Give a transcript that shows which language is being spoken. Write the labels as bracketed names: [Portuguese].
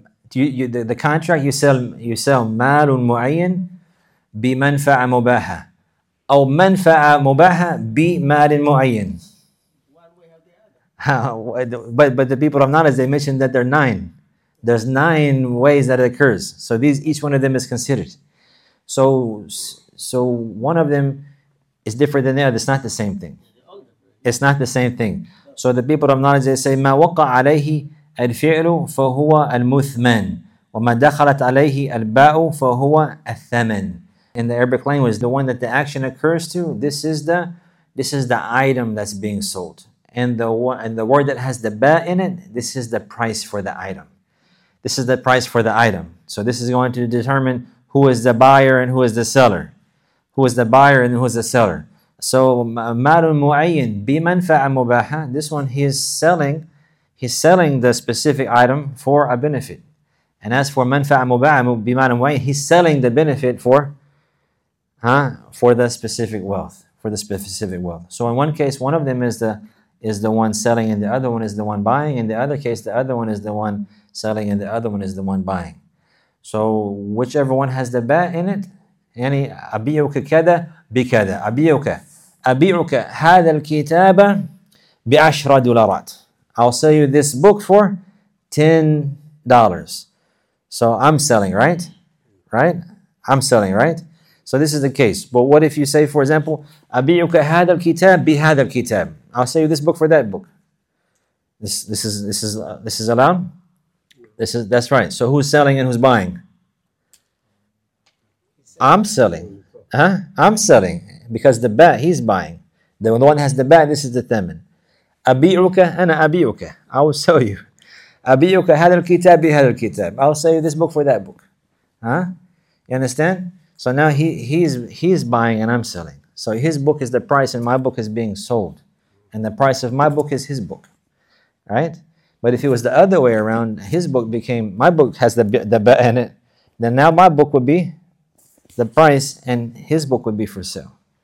[English] The contract you sell [Arabic] مال معين بمنفعة مباحة أو منفعة مباحة بمال معين. [English] But the people of knowledge, they mentioned that there are nine. There's nine ways that it occurs. So these, each one of them is considered. So one of them is different than the other. It's not the same thing. It's not the same thing. So the people of knowledge, they say, [Arabic] ما وقع عليه الفعل فهو المثمن وما دخلت عليه الباء فهو الثمن. [English] In the Arabic language, the one that the action occurs to, this is the item that's being sold. And the word that has the ba in it, this is the price for the item. This is the price for the item. So this is going to determine who is the buyer and who is the seller. Who is the buyer and who is the seller. [Arabic] So مَالُ الْمُعَيِّنِ بِمَنْفَعَ مُبَاحَ. [English] This one, he's selling the specific item for a benefit. And as for [Arabic] مَنْفَعَ مُبَاحَ بِمَالُ الْمُعَيِّنِ, [English] he's selling the benefit for the specific wealth. So in one case, one of them is the one selling and the other one is the one buying. In the other case, the other one is the one selling and the other one is the one buying. So whichever one has the ba in it, [Arabic] يعني أبيعك كذا بكذا. أبيعك هذا الكتاب بعشرة دولارات. [English] I'll sell you this book for $10. So I'm selling, right? Right? I'm selling, right? So this is the case. But what if you say, for example, [Arabic] أبيعك هذا الكتاب بهذا الكتاب. [English] I'll sell you this book for that book. This is allowed. That's right. So who's selling and who's buying? I'm selling. Huh? I'm selling. Because the ba, he's buying. The one has the ba, this is the thamen. [Arabic] أبيعك أنا أبيعك. [English] I will sell you. [Arabic] أبيعك هذا الكتاب بهذا الكتاب. [English] I'll sell you this book for that book. Huh? You understand? So now he's buying and I'm selling. So his book is the price and my book is being sold. And the price of my book is his book. Right? But if it was the other way around, his book became, my book has the ba in it, then now my book would be the price and his book would be for sale.